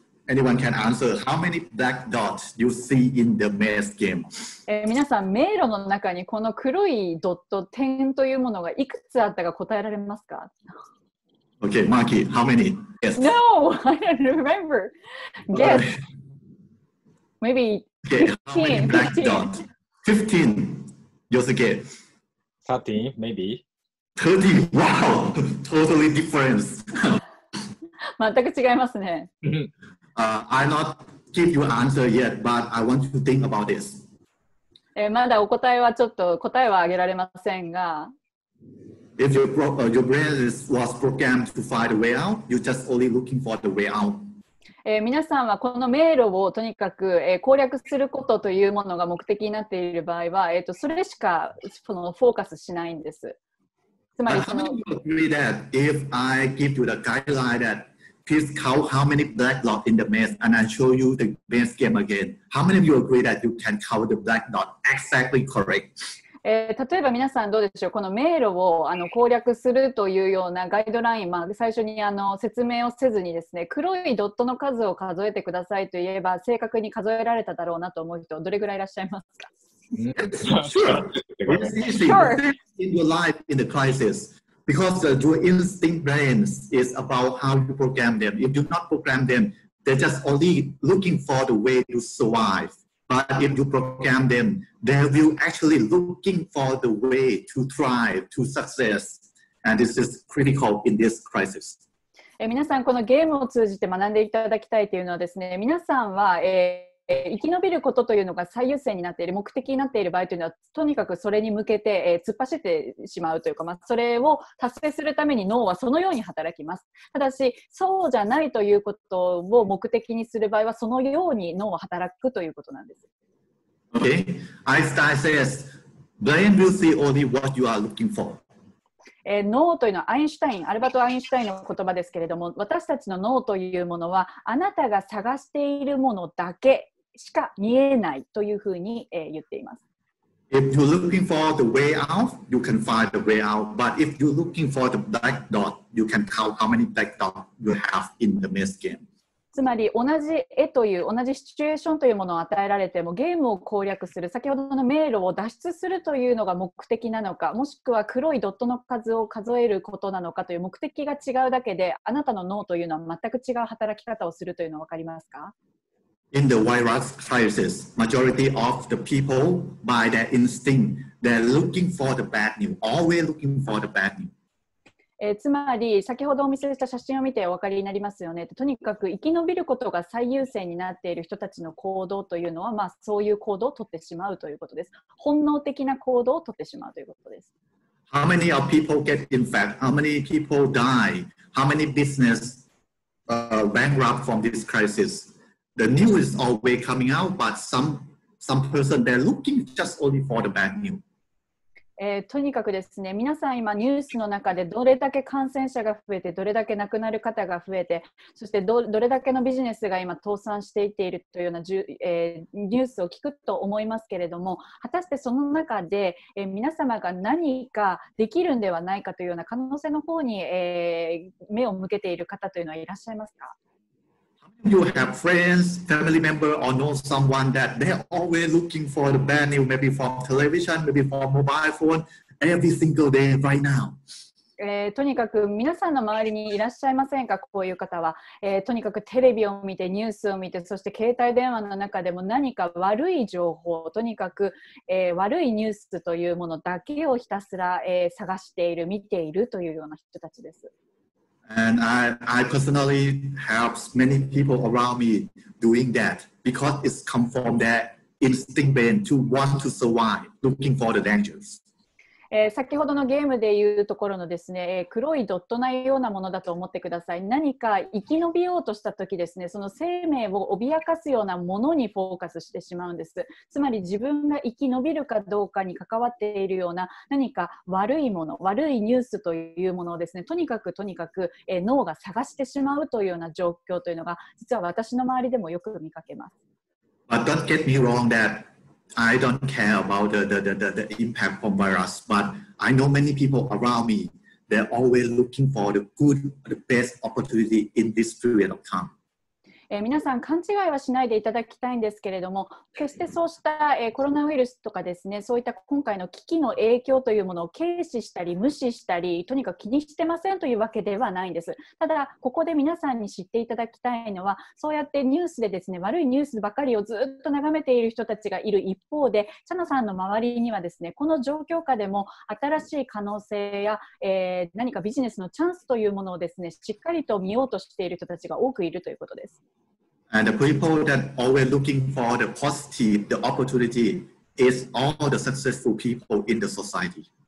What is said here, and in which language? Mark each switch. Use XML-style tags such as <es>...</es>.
<en>Anyone can answer how many black dots you see in the maze game?</en> <ja>皆さん、迷路の中にこの黒いドット、点というものがいくつあったか答えられますか?</ja> <en>Okay, Maki, how many? Yes. No, I don't remember. Guess. Maybe 15. Okay, how many Yosuke. 13, maybe. 30, wow! Totally different.</en> <ja>全く違いますね。</ja> <en>I'll not give you an answer yet, but I want you to think about this.</en> <ja>まだお答えはちょっと、答えはあげられませんが、</ja> <en>If your brain was programmed to find a way out, you're just only looking for the way out.</en> <ja>皆さんはこの迷路をとにかく、攻略することというものが目的になっている場合は、それしかそのフォーカスしないんです。つまりその。</ja> <en>But how many of you agree that if I give you the guideline that please count how many black dots in the maze and I show you the maze game again, how many of you agree that you can count the black dots exactly correct?</en> <ja>例えば皆さんどうでしょう、この迷路を攻略するというようなガイドライン、まあ、最初に説明をせずにですね、黒いドットの数を数えてくださいと言えば正確に数えられただろうなと思う人、どれぐらいいらっしゃいますか</ja> <en>Sure. In your life in the crisis, because your instinct brains is about how you program them. If you not program them, they're just only looking for the way to survive. But if you program them, they will actually looking for the way to thrive, to success. And this is critical in this crisis.</en> <ja>皆さん、このゲームを通じて学んでいただきたいというのはですね、皆さんは、生き延びることというのが最優先になっている、目的になっている場合というのは、とにかくそれに向けて、突っ走ってしまうというか、まあ、それを達成するために脳はそのように働きます。ただし、そうじゃないということを目的にする場合は、そのように脳は働くということなんです。</ja> <en>Okay. Einstein says, brain will see only what you are looking for.</en> <ja>脳というのはアインシュタイン、アルバート・アインシュタインの言葉ですけれども、私たちの脳というものは、あなたが探しているものだけしか見えないというふうに、言っています。</ja> <en>If you're looking for the way out, you can find the way out. But if you're looking for the black dot, you can count how many black dots you have in the maze game.</en> <ja>つまり同じ絵という同じシチュエーションというものを与えられてもゲームを攻略する先ほどの迷路を脱出するというのが目的なのかもしくは黒いドットの数を数えることなのかという目的が違うだけであなたの脳というのは全く違う働き方をするというのは分かりますか</ja> <en>In the virus crisis, majority of the people by their instinct, they're looking for the bad news, always looking for the bad news.</en> <ja>つまり先ほどお見せした写真を見てお分かりになりますよね。とにかく生き延びることが最優先になっている人たちの行動というのは、まあ、そういう行動を取ってしまうということです。本能的な行動を取ってしまうということです。</ja> <en>How many of people get infected? How many people die? How many business bankrupt from this crisis? The news is always coming out, but some person they're looking just only for the bad news.</en> <ja>とにかくですね、皆さん今ニュースの中でどれだけ感染者が増えて、どれだけ亡くなる方が増えて、そして どれだけのビジネスが今倒産していっているというような、ニュースを聞くと思いますけれども、果たしてその中で、皆様が何かできるんではないかというような可能性の方に、目を向けている方というのはいらっしゃいますか？</ja> <en>You have friends, family member, or know someone that they're always looking for the bad news, maybe from television, maybe from mobile phone, every single day right now.</en> <ja>とにかく皆さんの周りにいらっしゃいませんか、こういう方は、とにかくテレビを見て、ニュースを見て、そして携帯電話の中でも何か悪い情報、とにかく、悪いニュースというものだけをひたすら、探している、見ているというような人たちです。</ja> <en>And I personally help many people around me doing that because it's come from their instinct brain to want to survive, looking for the dangers.</en> <ja>先ほどのゲームでいうところのですね、黒いドットのようなものだと思ってください。何か生き延びようとしたときですね、その生命を脅かすようなものにフォーカスしてしまうんです。つまり自分が生き延びるかどうかに関わっているような何か悪いもの、悪いニュースというものをですね、とにかく、脳が探してしまうというような状況というのが実は私の周りでもよく見かけます。</ja> <en>But don't get me wrong thatI don't care about the impact from virus, but I know many people around me, they're always looking for the good, the best opportunity in this period of time.</en> <ja>皆さん勘違いはしないでいただきたいんですけれども、決してそうした、コロナウイルスとかですね、そういった今回の危機の影響というものを軽視したり無視したり、とにかく気にしてませんというわけではないんです。ただここで皆さんに知っていただきたいのは、そうやってニュースでですね、悪いニュースばかりをずっと眺めている人たちがいる一方で、チャナさんの周りにはですね、この状況下でも新しい可能性や、何かビジネスのチャンスというものをですね、しっかりと見ようとしている人たちが多くいるということです。</ja> <en>And the people that always looking for the positive, the opportunity, is all the successful people in the society.</en>